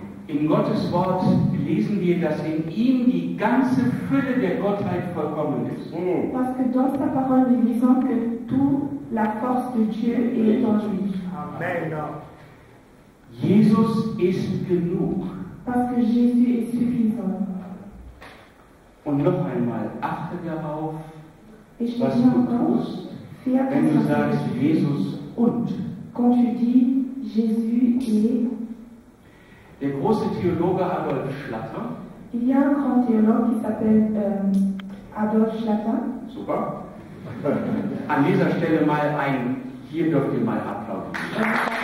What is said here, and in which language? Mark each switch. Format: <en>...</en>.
<de>In Gottes Wort lesen wir, dass in ihm die ganze Fülle der Gottheit vollkommen ist.</de> <fr>Parce que dans sa parole, nous lisons que toute la force de Dieu est en lui. Amen.</fr> <de>Jesus ist genug.</de> <fr>Parce que Jésus est suffisant.</fr> <de>Und noch einmal, achte darauf, was du tust, wenn du sagst, Jesus und.</de> <fr>Quand tu dis, Jésus et.</fr> <de>Der große Theologe Adolf Schlatter.</de> <fr>Il y a un grand théologe qui s'appelle Adolf Schlatter.</fr> <de>Super. An dieser Stelle mal ein, hier dürft ihr mal applaudieren.</de>